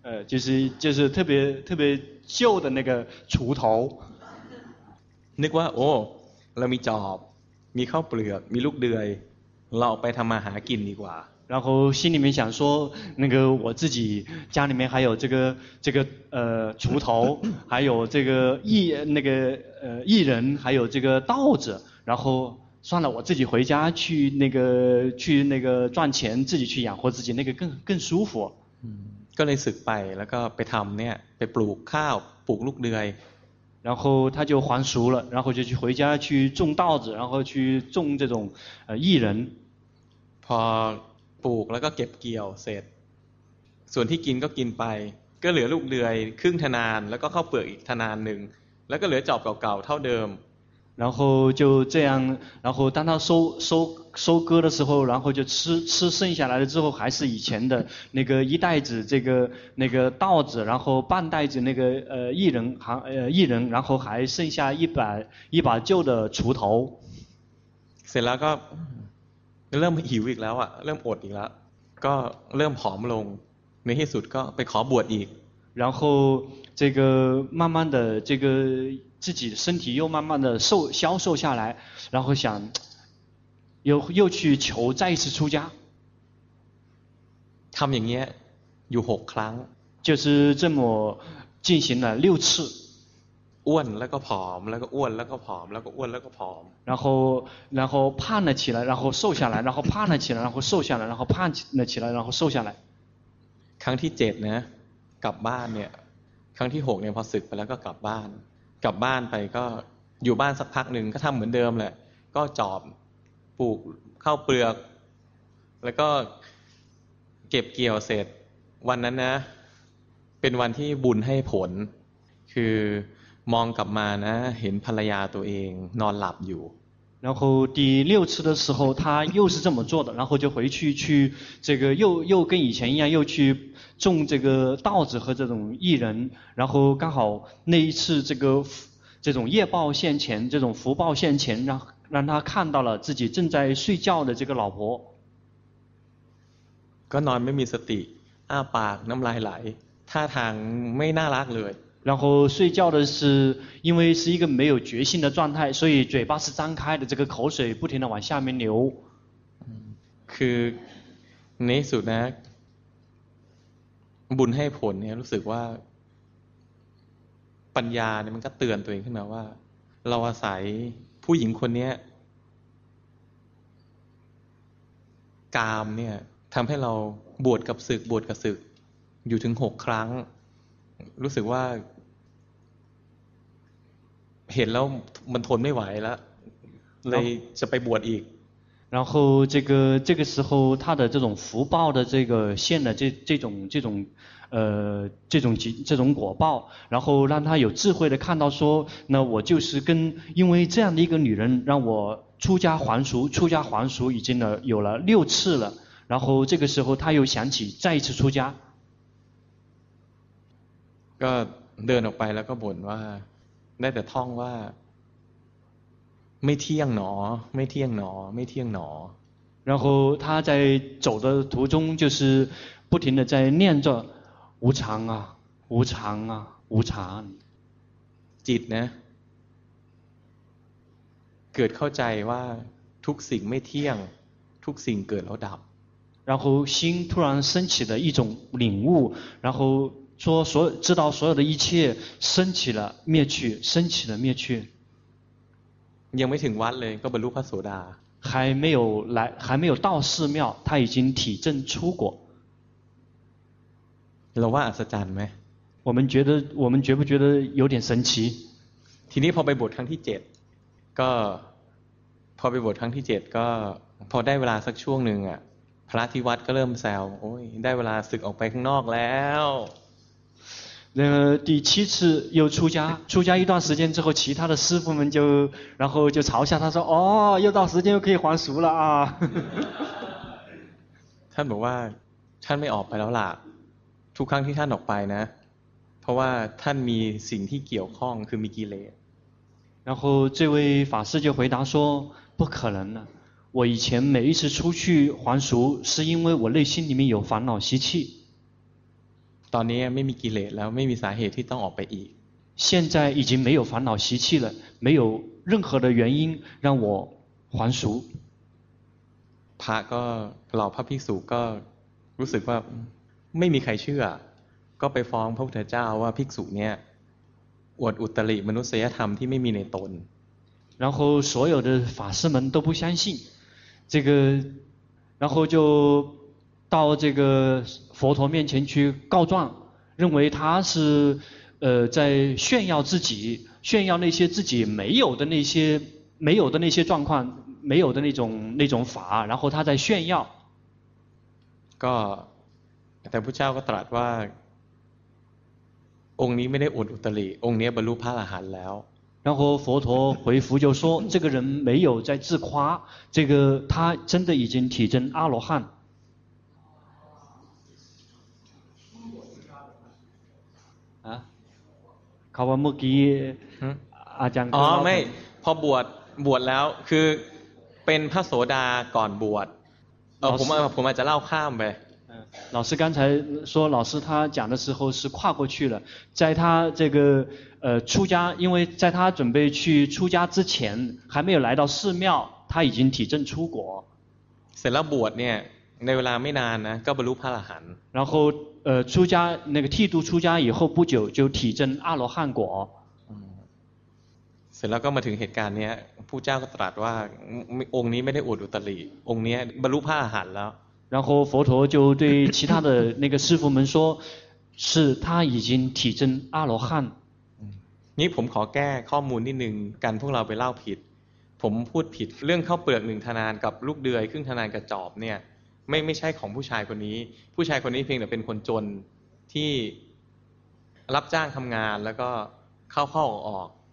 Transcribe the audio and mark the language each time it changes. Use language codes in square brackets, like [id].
[zh] ๆ就是特别旧的那个锄头 [th] นึกว่าโอ้เรามีจอบมีข้าวเปลือกมีลูกเดือยเราไปทำมาหากินดีกว่า [zh] 然后心里面想说，那个我自己家里面还有这个锄头，还有这个薏仁，还有这个稻子，然后算了，我自己回家去那个赚钱，自己去养活自己，那个更舒服。 [th] ก็เลยสึกไปแล้วก็ไปทำเนี่ยไปปลูกข้าวปลูกลูกเดือย [zh] 然后他就还俗了，然后就去回家去种稻子，然后去种这种薏仁。 [th] พอปลูกแล้วก็เก็บเกี่ยวเสร็จส่วนที่กินก็กินไปก็เหลือลูกเดือยครึ่งทนานแล้วก็ข้าวเปลือกอีกทนานหนึ่งแล้วก็เหลือจอบเก่าๆเท่าเดิม [zh] 然后就这样然后当他收割的时候然后就吃剩下来了之后还是以前的那个一袋子这个那个稻子然后半袋子那个薏仁然后还剩下一把旧的锄头 [th] เสร็จแล้วก็เริ่มหิวอีกแล้วอ่ะเริ่มอดอีกแล้วก็เริ่มผอมลงในที่สุดก็ไปขอบวชอีก [zh] 然后这个慢慢的这个自己身体又慢慢的消瘦下来然后想又去求再一次出家 [th] ทำอย่างเงี้ยอยู่6ครั้ง [zh] 就是这么进行了6次 [th] อ้วนแล้วก็ผอมแล้วก็อ้วนแล้วก็ผอมแล้วก็อ้วนแล้วก็ผอม [zh] 然后胖了起来然后瘦下来然后胖了起来然后瘦下来然后胖了起来然后瘦下来 [th] ครั้งที่7นะกลับบ้านเนี่ยครั้งที่6เนี่ยพอสึกไปแล้วก็กลับบ้านไปก็อยู่บ้านสักพักนึงก็ทำเหมือนเดิมแหละก็จอบปลูกข้าวเปลือกแล้วก็เก็บเกี่ยวเสร็จวันนั้นนะเป็นวันที่บุญให้ผลคือมองกลับมานะเห็นภรรยาตัวเองนอนหลับอยู่ [zh] 然后第六次的时候他又是这么做的然后就回去这个又跟以前一样又去种这个稻子和这种薏仁然后刚好那一次这种业报现前这种福报现前让他看到了自己正在睡觉的这个老婆 [th] ก็นอนไม่มีสติอ้าปากน้ำลายไหลท่าทางไม่น่ารักเลย [zh] 然后睡觉的是因为是一个没有决心的状态所以嘴巴是张开的这个口水不停地往下面流 [th] คือในสุดนะบุญให้ผลเนี่ยรู้สึกว่าปัญญาเนี่ยมันก็เตือนตัวเองขึ้นมาว่าเราอาศัยพู้หญิงคนนี้กามเนี่ยทำให้เราบวชกับศึกบวชกับศึกอยู่ถึง6ครั้งรู้สึกว่าเห็นแล้วมันทนไม่ไหวแล้วเลยจะไปบวชอีก [zh] 然后这个时候他的这种福报的这个现的这种果报，然后让他有智慧的看到说，那我就是跟因为这样的一个女人让我出家还俗已经了有了六次了，然后这个时候他又想起再一次出家。 [th] ก็เดินออกไปแล้วก็บ่นว่าได้แต่ท่องว่าไม่เที่ยงหนอไม่เที่ยงหนอไม่เที่ยงหนอ [zh] 然后他在走的途中就是不停的在念着无常啊无常啊无常 [th] จิตนะเกิดเข้าใจว่าทุกสิ่งไม่เที่ยงทุกสิ่งเกิดแล้วดับ [zh] 然后心突然升起了一种领悟然后说所知道所有的一切升起了灭去升起了灭去 [th] ยังไม่ถึงวัดเลยก็บรรลุพระโสดา [zh] 还没有到寺庙他已经体证出果 [th] เราว่าอัศจรรย์ไหม [zh] 我们觉不觉得有点神奇 [th] ทีนี้พอไปบวชครั้งที่7ก็พอไปบวชครั้งที่7ก็พอได้เวลาสักช่วงหนึ่งอ่ะพระที่วัดก็เริ่มแซวโอ้ยได้เวลาศึกออกไปข้างนอกแล้ว [zh] แล้ว第七次又出家一段时间之后其他的师父们就然后就嘲笑他说哦又到时间又可以还俗了啊 [th] ท่านบอกว่าท่านไม่ออกไปแล้วล่ะทุกครั้งที่ท่านออกไปนะเพราะว่าท่านมีสิ่งที่เกี่ยวข้องคือมีกิเลส [zh] 然后这位法师就回答说不可能了我以前每一次出去还俗是因为我内心里面有烦恼习气 [th] ตอนนี้ไม่มีกิเลสแล้วไม่มีสาเหตุที่ต้องออกไปอีก [zh] 现在已经没有烦恼习气了没有任何的原因让我还俗 [th] พระก็เหล่าพระภิกษุก็รู้สึกว่าไม่มีใครเชื่อก็ไปฟ้องพระพุทธเจ้าว่าภิกษุเนี่ยอวดอุตริมนุษยธรรมที่ไม่มีในตน [zh] 然后所有的法师们都不相信这个然后就到这个佛陀面前去告状认为他是在炫耀自己炫耀那些自己没有的那些状况没有的那种法然后他在炫耀 [th] ก็แต่พุทธเจ้าก็ตรัสว่าองค์นี้ไม่ได้อวดอุตริองค์นี้บรรลุพระอรหันต์แล้ว [zh] 然后佛陀回复就说这个人没有在自夸这个他真的已经体证阿罗汉 [th] เขาว่าเมื่อกี้อาจารย์อ๋อไม่พอบวชแล้วคือเป็นพระโสดาก่อนบวชผมอาจจะเล่าข้ามไป [zh] 老师刚才说老师他讲的时候是跨过去了在他这个出家因为在他准备去出家之前还没有来到寺庙他已经体证出果 [th] เสร็จแล้วบวชเนี่ยในเวลาไม่นานนะก็บรรลุพระอรหันต์ [zh] 然后出家那个剃度出家以后不久就体证阿罗汉果 [th] เสร็จแล้วก็มาถึงเหตุการณ์เนี้ยผู้เจ้าก็ตรัสว่าองค์นี้ไม่ได้อวดอุตริองค์นี้บรรลุพระอรหันต์แล้ว [zh] 然后佛陀就对其他的那个师父们说是他已经体证阿罗汉 [th] นี่ผมขอแก้ข้อมูลนิดนึงกันพวกเราไปเล่าผิดผมพูดผิดเรื่องข้าวเปลือกหนึ่งทนานกับลูกเดือยครึ่งทนานกับจอบเนี่ยไม่ใช่ของผู้ชายคนนี้ผู้ชายคนนี้เพียงแต่เป็นคนจนที่รับจ้างทำงานแล้วก็เข้าข้อออก